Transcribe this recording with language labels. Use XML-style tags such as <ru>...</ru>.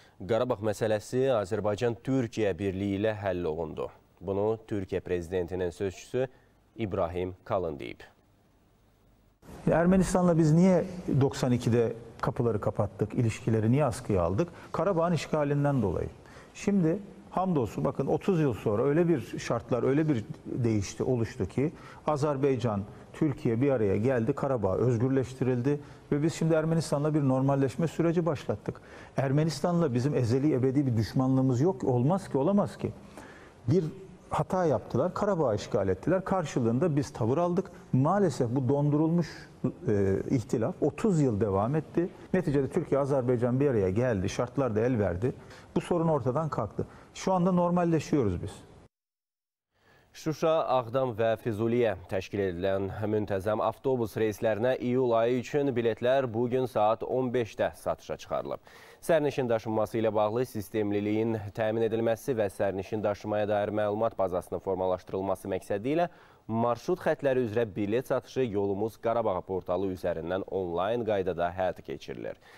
<az>Qarabağ məsələsi Azərbaycan-Türkiyə birliyi ilə həll olundu. Bunu Türkiyə prezidentinin sözçüsü İbrahim Kalın deyib.</az> <tr>Ermənistanla biz niyə 92-də kapıları kapattık, ilişkileri niyə askıya aldık? Qarabağın işgalindən dolayı. Şimdi hamdolsun bakın 30 yıl sonra öyle bir şartlar, öyle bir değişti, oluştu ki Azerbaycan, Türkiye bir araya geldi, Qarabağ özgürleştirildi ve biz şimdi Ermenistan'la bir normalleşme süreci başlattık. Ermenistan'la bizim ezeli ebedi bir düşmanlığımız yok, olmaz ki, olamaz ki. Bir hata yaptılar, Qarabağ'ı işgal ettiler. Karşılığında biz tavır aldık. Maalesef bu dondurulmuş ihtilaf 30 yıl devam etti. Neticede Türkiye, Azerbaycan bir araya geldi, şartlar da el verdi. Bu sorun ortadan kalktı. Şu anda normalleşiyoruz biz.</tr> <az>Şuşa, Ağdam və Füzuliyə təşkil edilən müntəzəm avtobus reyslərinə iyul ayı üçün biletlər bugün saat 15-də satışa çıxarılıb. Sərnişin daşınması ilə bağlı sistemliliyin təmin edilməsi və sərnişin daşınmaya dair məlumat bazasının formalaşdırılması məqsədi ilə marşrut xətləri üzrə bilet satışı yolumuz Qarabağ portalı üzərindən onlayn qaydada həyata keçirilir.</az>